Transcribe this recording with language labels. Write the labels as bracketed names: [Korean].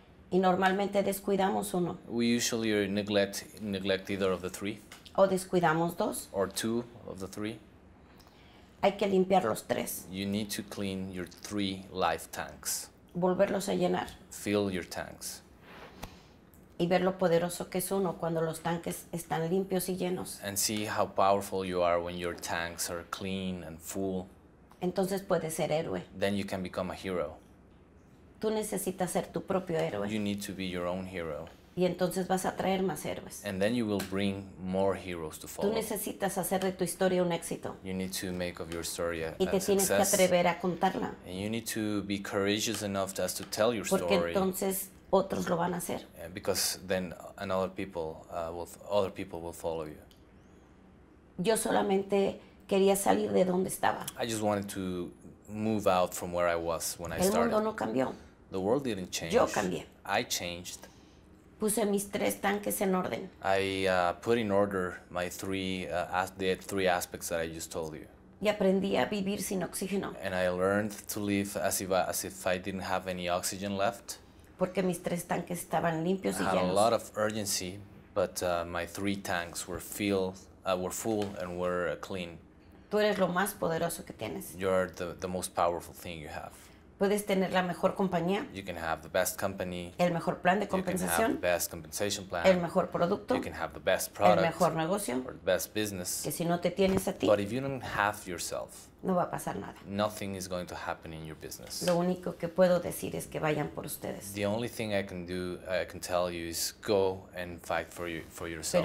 [Spanish] Y normalmente descuidamos uno. [English] We usually neglect either of the three. [Spanish] O descuidamos dos. [English] Or two of the three. [Spanish] Hay que limpiar los tres. [English] You need to clean your three life tanks. [Spanish] Volverlos a llenar. [English] Fill your tanks. [Spanish] Y ver lo poderoso que es uno cuando los tanques están limpios y llenos. [English] And see how powerful you are when your tanks are clean and full. [Spanish] Entonces puedes ser héroe. [English] Then you can become a hero. [Spanish] Tú necesitas ser tu propio héroe. [English] You need to be your own hero. [Spanish] Y entonces vas a traer más héroes. [English] And then you will bring more heroes to follow. [Spanish] Tú necesitas hacer de tu historia un éxito. [English] You need to make of your story a [Spanish] y te [English] success. [Spanish] Tienes que atrever a contarla. [English] And you need to be courageous enough just to tell your [Spanish] porque [English] story. [Spanish] Entonces otros lo van a hacer. [English] Because then other people will follow you. [Spanish] Yo solamente quería salir de donde estaba. [English] I just wanted to move out from where I was when [Spanish] el [English] I started. [Spanish] Mundo no cambió. [English] The world didn't change. [Spanish] Yo cambié. [English] I changed. [Spanish] Puse mis tres tanques en orden. [English] I put in order my three the three aspects that I just told you. [Spanish] Y aprendí a vivir sin oxígeno. [English] And I learned to live as if I didn't have any oxygen left. [Spanish] Porque mis tres tanques estaban limpios y llenos. [English] I had a lot of urgency, but my three tanks were full and were clean. [Spanish] Tú eres lo más poderoso que tienes. [English] You're the most powerful thing you have. [Spanish] Puedes tener la mejor compañía. [English] You can have the best company. [Spanish] El mejor plan de compensación. [English] You can have the best compensation plan. [Spanish] El mejor producto. [English] You can have the best product. [Spanish] El mejor negocio. [English] Or the best business. [Spanish] Que si no te tienes a ti. [English] But if you don't have yourself. [Spanish] No va a pasar nada. [English] Nothing is going to happen in your business. [Spanish] Lo único que puedo decir es que vayan por ustedes. [English] The only thing I can do, I can tell you is go and fight for you, for yourself.